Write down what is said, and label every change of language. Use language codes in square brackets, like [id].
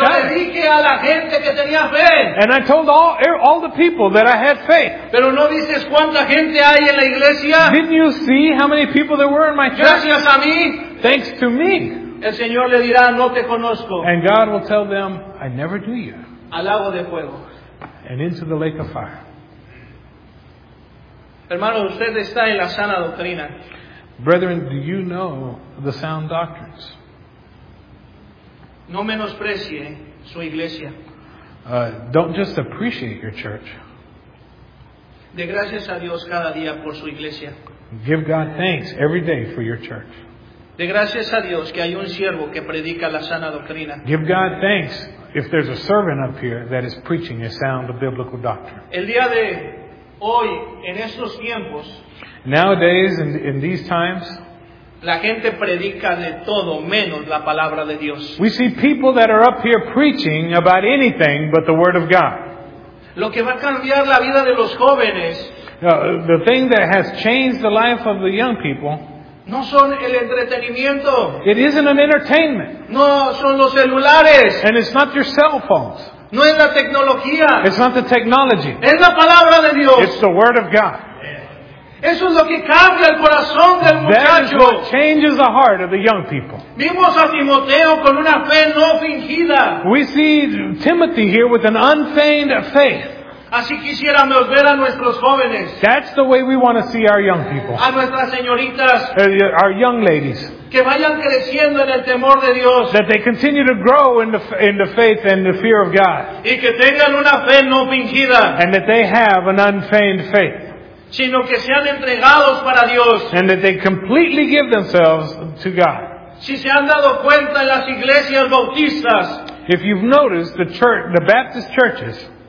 [es] Pero le dije a la gente que tenía fe. [en] And I told all the people that I had faith. [es] Pero no dices cuánta gente hay en la iglesia. [en] Didn't you see how many people there were in my church? [es] Gracias a mí. [en] Thanks to me. [es] El Señor le dirá, no te conozco. [en] And God will tell them, I never knew you. [es] Al lago de fuego. [en] And into the lake of fire. [es] Hermano, usted está en la sana doctrina. [en] Brethren, do you know the sound doctrines? [es] No menosprecie su iglesia. [en] Don't just appreciate your church. [es] De gracias a Dios cada día por su iglesia. [en] Give God thanks every day for your church. [es] De gracias a Dios que hay un siervo que predica la sana doctrina. [en] Give God thanks if there's a servant up here that is preaching a sound of biblical doctrine. [es] El día de hoy, en estos tiempos, [en] nowadays, in these times, [es] la gente predica de todo menos la palabra de Dios. [en] We see people that are up here preaching about anything but the Word of God. [es] Lo que va a cambiar la vida de los jóvenes, [en] the thing that has changed the life of the young people, [es] no son el entretenimiento. [en] It isn't an entertainment. [es] No son los celulares. [en] And it's not your cell phones. [es] No es la tecnología. [en] It's not the technology. [es] Es la palabra de Dios. [en] It's the Word of God. [es] Eso es lo que cambia el corazón del muchacho. [en] That is what changes the heart of the young people. [es] Vimos a Timoteo con una fe no fingida. [en] We see Timothy here with an unfeigned faith. [es] Así quisiéramos ver a nuestros jóvenes. [en] That's the way we want to see our young people. [es] A nuestras señoritas. [en] Our young ladies. [es] Que vayan creciendo en el temor de Dios. [en] That they continue to grow in the faith and the fear of God. [es] Y que tengan una fe no fingida. [en] And that they have an unfeigned faith. [es] Sino que sean entregados para Dios. [en] And that they completely give themselves to God. [es] Si se han dado cuenta en las iglesias bautistas, [en] if you've noticed the church, the Baptist churches,